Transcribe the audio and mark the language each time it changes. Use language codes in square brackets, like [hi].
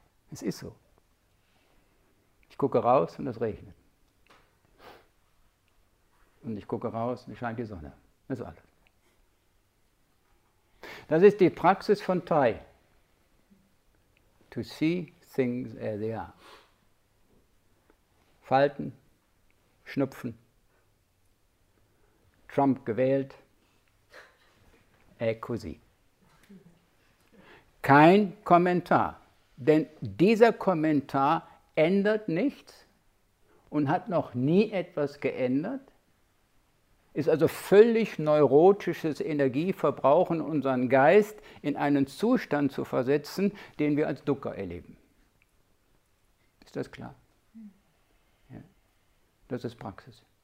[de] Es ist so. Ich gucke raus und es regnet. Und ich gucke raus und es scheint die Sonne. Das ist alles. Das ist die Praxis von Thay. [en] To see things as they are. [de] Falten, Schnupfen, Trump gewählt, così. Kein Kommentar, denn dieser Kommentar ändert nichts und hat noch nie etwas geändert, ist also völlig neurotisches Energieverbrauchen, unseren Geist in einen Zustand zu versetzen, den wir als Dukkha erleben. Ist das klar? Ja. Das ist Praxis.